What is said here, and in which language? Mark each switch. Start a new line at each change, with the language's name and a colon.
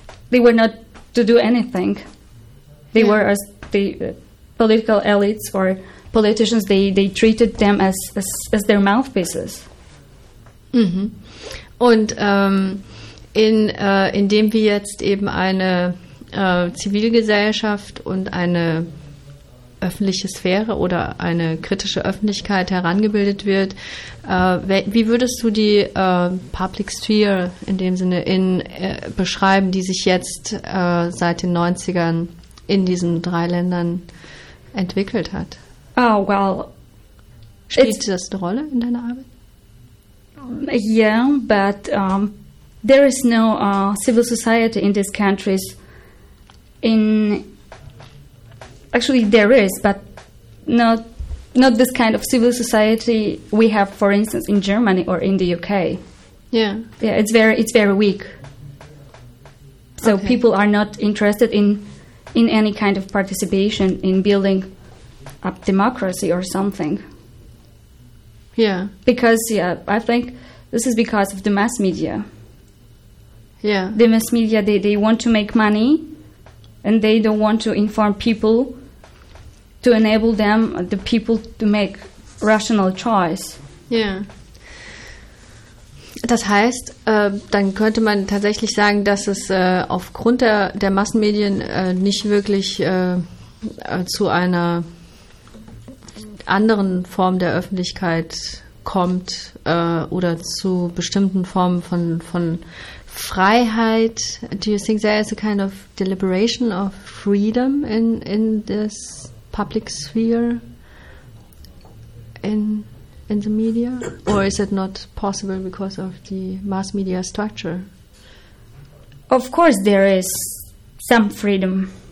English: They were not to do anything. They were as the political elites or politicians. They treated them as their mouthpieces. Mm-hmm.
German: Und indem wir jetzt eben eine Zivilgesellschaft und eine öffentliche Sphäre oder eine kritische Öffentlichkeit herangebildet wird, wie würdest du die Public Sphere in dem Sinne beschreiben, die sich jetzt seit den 90ern in diesen drei Ländern entwickelt hat?
English: Oh, well.
German: Spielt das eine Rolle in deiner Arbeit?
English: Yeah, but there is no civil society in these countries. Actually, there is, but not this kind of civil society we have, for instance, in Germany or in the UK. Yeah. Yeah, it's very weak. So okay. People are not interested in any kind of participation in building up democracy or something. Yeah. Because, yeah, I think this is because of the mass media. Yeah. The mass media, they want to make money and they don't want to inform people to enable them, the people, to make rational choice. Yeah.
German: Das heißt, dann könnte man tatsächlich sagen, dass es aufgrund der Massenmedien nicht wirklich zu einer anderen Form der Öffentlichkeit kommt oder zu bestimmten Formen von Freiheit.
English: Do you think there is a kind of deliberation of freedom in this public sphere in the media, or is it not possible because of the mass media structure? Of course there is some freedom.